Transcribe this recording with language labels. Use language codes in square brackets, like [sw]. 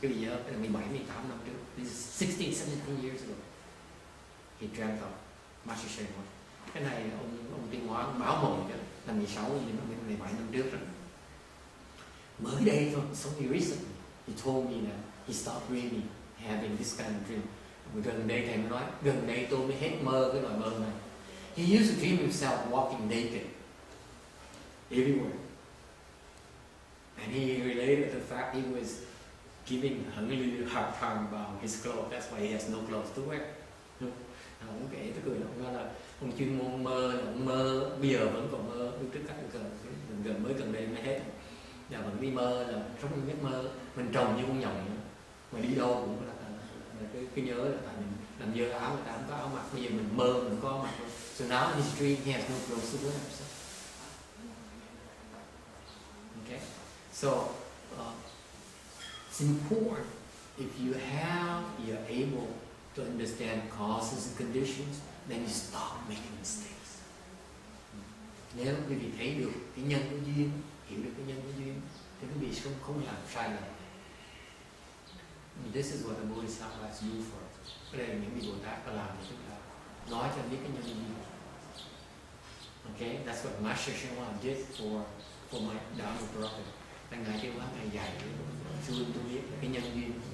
[vi] Cái giờ là 17-18 năm trước. [en] This is 16, 17 years ago. He dreamt of Master Shenmue. [vi] Cái này ông tiên hóa báo mộng cho là 16, 17 năm trước rồi. Mới đây thôi, [en] so he recently, he told me that he stopped really having this kind of dream. [vi] Gần đây thầy mới nói, gần đây tôi mới hết mơ cái loại mơ này. [en] He used to dream himself walking naked everywhere. And he related the fact he was giving Hằng Lưu a hard time about his clothes. That's why he has no clothes to wear. No. [vi] Ông kể, tôi cười, ông nói là ông chuyên môn mơ, ông mơ, bây giờ vẫn còn mơ, trước các gần gần mới gần đây mới hết. Và vẫn đi mơ, là trong những giấc mơ, mình trồng như con nhộng, mà đi đâu cũng là cứ nhớ là tại mình làm dơ áo, người ta không có áo mặc, bây giờ mình mơ, mình có áo mặc. [en] So now in his dream, he has no clothes to wear. So. Okay. So, it's important if you have, you're able to understand causes and conditions, then you stop making mistakes. [vi] Nếu quý vị thấy được cái nhân của duyên, hiểu được cái nhân của duyên, thì quý vị sẽ không làm sai lầm. [en] This is what the Bodhisattvas do for us. [vi] Đây là những vị Bồ Tát đã làm cho chúng ta, nói cho biết cái nhân của duyên. [en] Okay, that's what Master Shenhua did for my Dharma brother. [vi] Ngài kêu quá ngày dài chưa tôi biết cái nhân duyên.